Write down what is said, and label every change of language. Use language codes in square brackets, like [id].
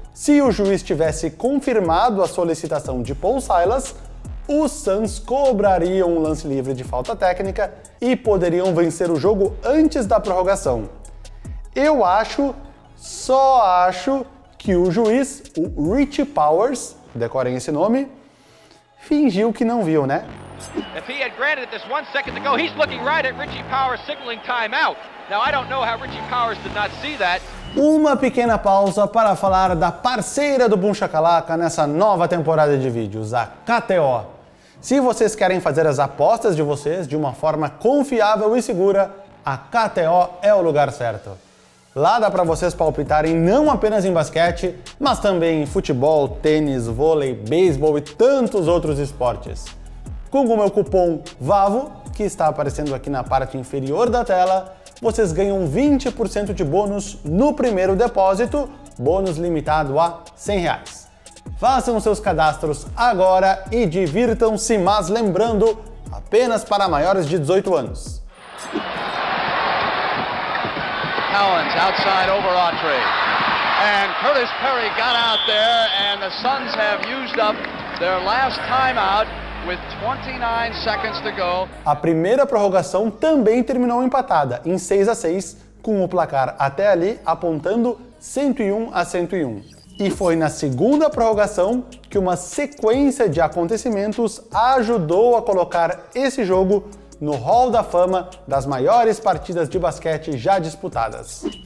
[pt] Se o juiz tivesse confirmado a solicitação de Paul Silas, os Suns cobrariam um lance livre de falta técnica e poderiam vencer o jogo antes da prorrogação. Eu acho, só acho, que o juiz, o Richie Powers, decorem esse nome, fingiu que não viu, né? [en] If he had granted this 1 second to go, he's looking right at Richie Powers signaling timeout. Now I don't know how Richie Powers did not see that. [pt] Uma pequena pausa para falar da parceira do Boom Shakalaka nessa nova temporada de vídeos, a KTO. Se vocês querem fazer as apostas de vocês de uma forma confiável e segura, a KTO é o lugar certo. Lá dá para vocês palpitarem não apenas em basquete, mas também em futebol, tênis, vôlei, beisebol e tantos outros esportes. Com o meu cupom VAVO, que está aparecendo aqui na parte inferior da tela, vocês ganham 20% de bônus no primeiro depósito, bônus limitado a R$100. Façam seus cadastros agora e divirtam-se, mas lembrando, apenas para maiores de 18 anos. [en] Collins outside over Autry. And Curtis Perry got out there and the Suns have used up their last timeout with 29 seconds to go. [pt] A primeira prorrogação também terminou empatada em 6-6, com o placar até ali apontando 101-101. E foi na segunda prorrogação que uma sequência de acontecimentos ajudou a colocar esse jogo no Hall da Fama das maiores partidas de basquete já disputadas.